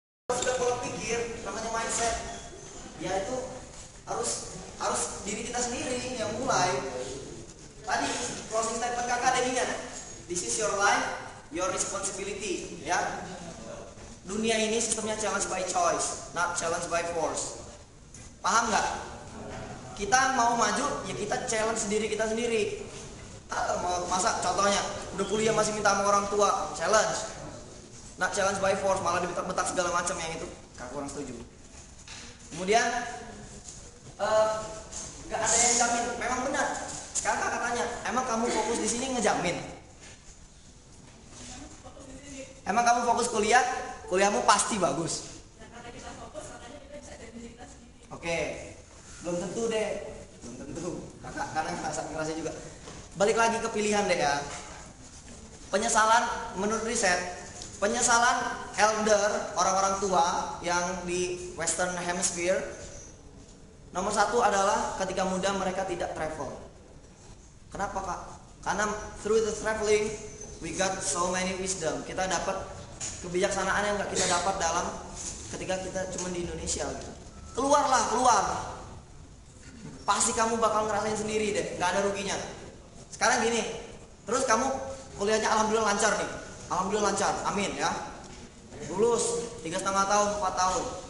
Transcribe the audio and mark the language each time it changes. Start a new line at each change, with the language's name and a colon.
Indonesian: Sudah pola pikir, namanya mindset, ya itu harus diri kita sendiri yang mulai. Tadi
English: closing statement
Indonesian: kakak ada ingat?
English: This is your life, your responsibility, ya.
Indonesian: Dunia ini sistemnya
English: challenge by choice, not challenge by force.
Indonesian: Paham nggak? Kita mau maju, ya kita challenge sendiri kita sendiri. Masa contohnya, udah kuliah masih minta sama orang tua, challenge.
English: Not challenge by force,
Indonesian: malah dibetak-betak segala macam yang itu. Kakak kurang setuju. Kemudian, nggak ada yang jamin. Memang benar. Kakak katanya, emang kamu fokus di sini ngejamin? Emang kamu fokus kuliah? Kuliahmu pasti bagus. Oke, belum tentu deh, belum tentu. Kakak kadang ngerasa juga. Balik lagi ke pilihan deh ya. Penyesalan menurut riset, penyesalan elder, orang-orang tua yang di Western Hemisphere, nomor satu adalah ketika muda mereka tidak travel. Kenapa kak? Karena
English: through the traveling we got so many wisdom.
Indonesian: Kita dapat kebijaksanaan yang gak kita dapat dalam ketika kita cuma di Indonesia gitu. Keluarlah, keluar. Pasti kamu bakal ngerasain sendiri deh, gak ada ruginya. Sekarang gini, terus kamu kuliahnya alhamdulillah lancar nih. Alhamdulillah lancar, amin ya. Lulus 3,5 tahun, 4 tahun.